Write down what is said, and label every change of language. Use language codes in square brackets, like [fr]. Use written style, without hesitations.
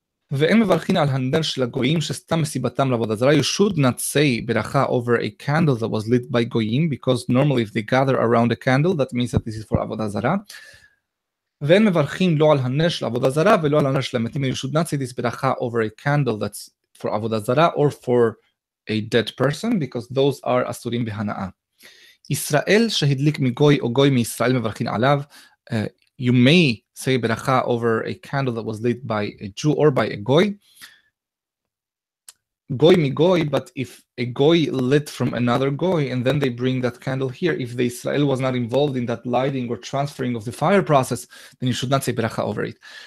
[he] ואין מברכין על הנדר של הגויים שסתם מסיבתם לעבוד הזרה. [en] You should not say ברכה over a candle that was lit by goyim, because normally if they gather around a candle, that means that this is for עבוד הזרה. ואין מברכין לא על הנר של עבוד הזרה ולא על הנר של המתים. You should not say this ברכה over a candle that's for עבוד הזרה or for a dead person, because those are אסורים בהנאה. [he] ישראל שהדליק מגוי או גוי מישראל מברכין עליו. [en] You may say ברכה over a candle that was lit by a Jew or by a goy. Goy mi goy, but if a goy lit from another goy and then they bring that candle here, if the Israel was not involved in that lighting or transferring of the fire process, then you should not say ברכה over it.